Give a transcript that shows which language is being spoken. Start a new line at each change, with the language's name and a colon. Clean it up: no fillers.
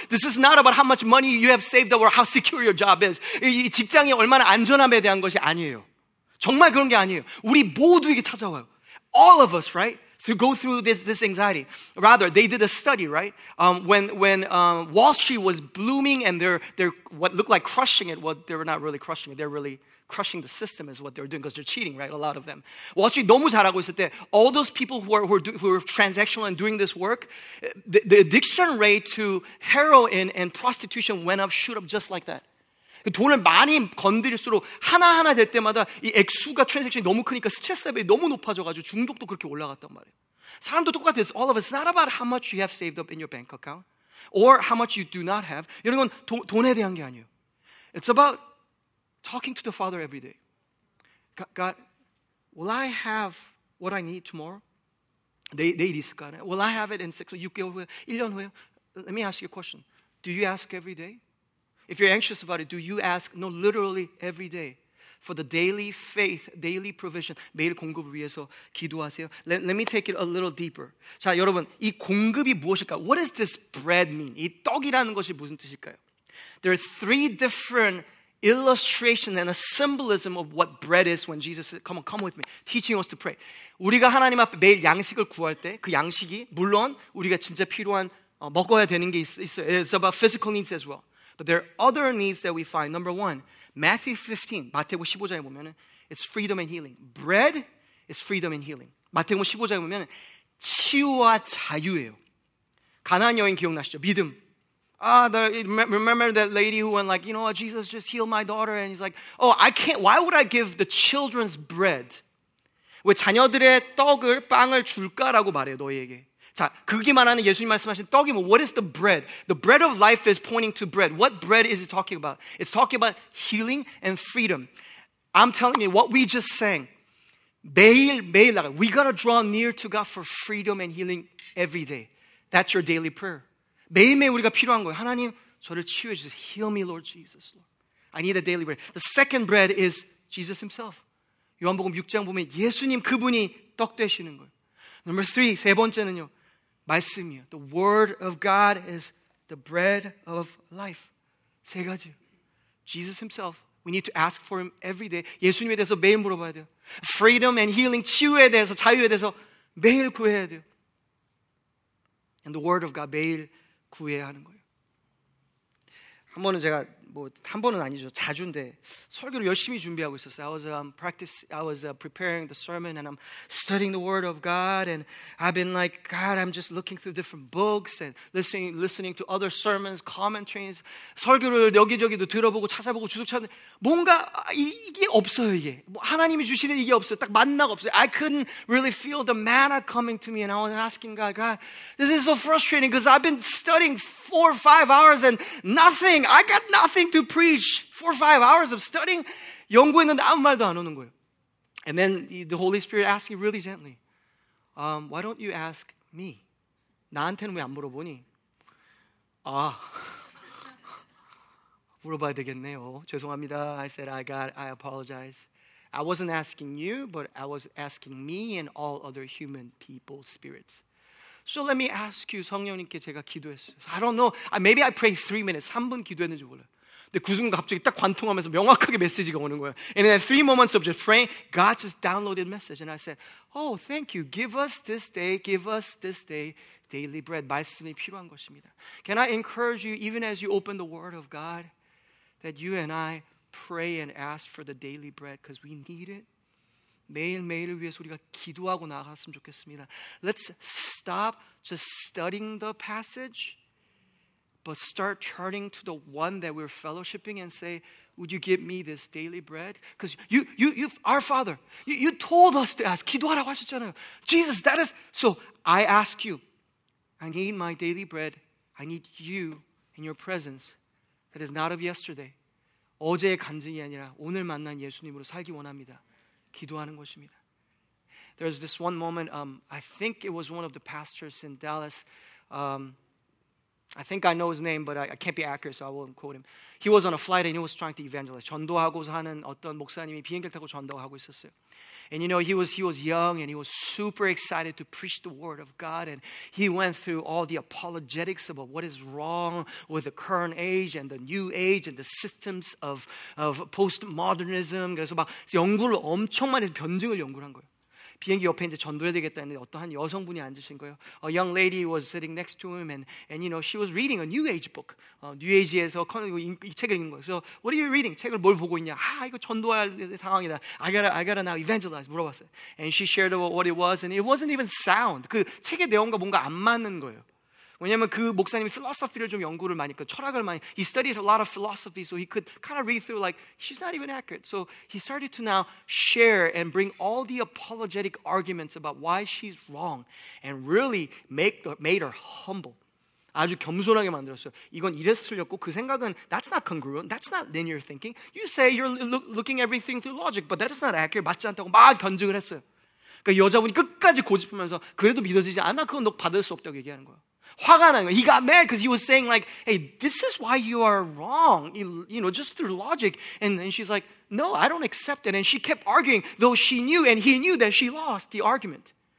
English: This is not about how much money you have saved or how secure your job is.
Korean: 이 직장이 얼마나 안전함에 대한 것이 아니에요. 정말 그런 게 아니에요. 우리 모두에게 찾아와요.
English: All of us, right? To go through this anxiety. Rather, they did a study, right? When Wall Street was blooming and they're what looked like crushing it. Well, they were not really crushing it. They're really crushing the system is what they're doing because they're cheating, right? A lot of them. Wall Street
Korean: 너무 잘하고 있을 때,
English: all those people who are transactional and doing this work, the addiction rate to heroin and prostitution shoot up just like that.
Korean: 돈을 많이 건드릴수록 하나하나 될 때마다 이 액수가 트랜잭션이 너무 크니까 스트레스 레벨이 너무 높아져가지고 중독도 그렇게 올라갔단 말이에요. 사람도 똑같아요.
English: It's all of it. It's not about how much you have saved up in your bank account or how much you do not have.
Korean: 이런 건 돈에 대한 게 아니에요.
English: It's about talking to the Father every day. God, will I have what I need tomorrow?
Korean: 내일 있을 거 아니에요?
English: Will I have it in 6 or
Korean: 6개월 후에? 1년 후에?
English: Let me ask you a question. Do you ask every day? If you're anxious about it, do you ask? No, literally every day. for the daily faith, daily provision.
Korean: 매일 공급을 위해서 기도하세요.
English: Let me take it a little deeper.
Korean: 자, 여러분, 이 공급이 무엇일까?
English: What does this bread mean?
Korean: 이 떡이라는 것이 무슨 뜻일까요?
English: There are three different illustration and a symbolism of what bread is when Jesus said, come with me, teaching us to pray.
Korean: 우리가 하나님 앞에 매일 양식을 구할 때 그 양식이 물론 우리가 진짜 필요한 먹어야 되는 게 있어요.
English: It's about physical needs as well. But there are other needs that we find. Number one, Matthew 15,
Korean: 마태복음 15장에 보면
English: it's freedom and healing. Bread is freedom and healing.
Korean: 마태복음 15장에 보면 치유와 자유예요. 가난한 여인 기억나시죠? 믿음.
English: Ah, remember that lady who went like, you know what, Jesus just healed my daughter. And he's like, oh, I can't, why would I give the children's bread?
Korean: 왜 자녀들의 떡을, 빵을 줄까라고 말해요, 너희에게. 자, 그게 말하는 예수님 말씀하신 떡이 뭐,
English: what is the bread? The bread of life is pointing to bread. What bread is it talking about? It's talking about healing and freedom. I'm telling you, what we just sang,
Korean: 매일, 매일,
English: we gotta draw near to God for freedom and healing every day. That's your daily prayer.
Korean: 매일매일 우리가 필요한 거예요. 하나님, 저를 치유해 주세요.
English: Heal me, Lord Jesus. I need a daily bread. The second bread is Jesus himself.
Korean: 요한복음 6장 보면 예수님 그분이 떡 되시는 거예요.
English: Number three,
Korean: 세 번째는요. 말씀이요.
English: The word of God is the bread of life.
Korean: 세 가지.
English: Jesus himself. We need to ask for him every day.
Korean: 예수님에 대해서 매일 물어봐야 돼요.
English: Freedom and healing,
Korean: 치유에 대해서, 자유에 대해서 매일 구해야 돼요.
English: And the word of God,
Korean: 매일 구해야 하는 거예요. 한 번은 제가 뭐 한 번은 아니죠. 자주인데 설교를 열심히 준비하고 있었어요. I was preparing the sermon and I'm studying the word of God and I've been like God, I'm just looking through different books and listening to other sermons, commentaries. 설교를 여기저기도 들어보고 찾아보고 주석 찾는 뭔가 이게 없어요, 이게. 뭐 하나님이 주시는 이게 없어요. 딱 만나가 없어요.
English: I couldn't really feel the manna coming to me and I was asking God, God, this is so frustrating because I've been studying 4 or 5 hours and nothing. I got nothing to preach 4 or 5 hours of studying
Korean: 연구했는데 아무 말도 안 오는 거예요.
English: And then the Holy Spirit asked me really gently, why don't you ask me?
Korean: 나한테는 왜 안 물어보니? 아, 물어봐야 되겠네요. 죄송합니다.
English: I apologize. I wasn't asking you, but I was asking me and all other human people, spirits. So let me ask you,
Korean: 성령님께 제가 기도했어요.
English: I don't know. Maybe I prayed 3 minutes.
Korean: 3분 기도했는지 몰라요. 근데 그 순간 갑자기 딱 관통하면서 명확하게 메시지가 오는 거예요.
English: And in three moments of just praying, God just downloaded a message. And I said, oh, thank you. Give us this day, daily bread.
Korean: 말씀이 필요한 것입니다.
English: Can I encourage you, even as you open the word of God, that you and I pray and ask for the daily bread because we need it.
Korean: 매일매일을 위해서 우리가 기도하고 나갔으면 좋겠습니다.
English: Let's stop just studying the passage. But start turning to the one that we're fellowshipping and say, would you give me this daily bread? Because you, our Father, you told us to ask.
Korean: 기도하라고 하셨잖아요.
English: Jesus, that is, so I ask you, I need my daily bread. I need you in your presence. That is not of yesterday.
Korean: 어제의 간증이 아니라 오늘 만난 예수님으로 살기 원합니다. 기도하는 것입니다.
English: There's this one moment, I think it was one of the pastors in Dallas, I think I know his name, but I can't be accurate, so I won't quote him. He was on a flight and he was trying to evangelize.
Korean: 전도하고서 하는 어떤 목사님이 비행기를 타고 전도하고 있었어요.
English: And you know, he was young and he was super excited to preach the word of God. And he went through all the apologetics about what is wrong with the current age and the new age and the systems of postmodernism.
Korean: 그래서 막 연구를 엄청 많이 변증을 연구를 한 거예요. 비행기 옆에 이제 전도해야 되겠다 했는데 어떤 한 여성분이 앉으신 거예요.
English: A young lady was sitting next to him and you know, she was reading a New Age book.
Korean: New Age에서 이 책을 읽는 거예요.
English: So, what are you reading?
Korean: 책을 뭘 보고 있냐? 아, 이거 전도할 상황이다.
English: I gotta now evangelize.
Korean: 물어봤어요.
English: And she shared about what it was and it wasn't even sound.
Korean: 그 책의 내용과 뭔가 안 맞는 거예요. 왜냐면 그 목사님이 philosophy를 좀 연구를 많이, 그 철학을 많이,
English: he studied a lot of philosophy, so he could kind of read through like, she's not even accurate. So he started to now share and bring all the apologetic arguments about why she's wrong and really made her humble.
Korean: 아주 겸손하게 만들었어요. 이건 이래서 틀렸고 그 생각은
English: that's not congruent, that's not linear thinking. You say you're looking everything through logic, but that is not accurate,
Korean: 맞지 않다고 막 변증을 했어요. 그러니까 여자분이 끝까지 고집하면서 그래도 믿어지지 않아? 그건 너 받을 수 없다고 얘기하는 거예요.
English: He got mad because he was saying like, hey, this is why you are wrong, you know, just through logic. And she's like, No, I don't accept it. And she kept arguing, though she knew and he knew that she lost the argument.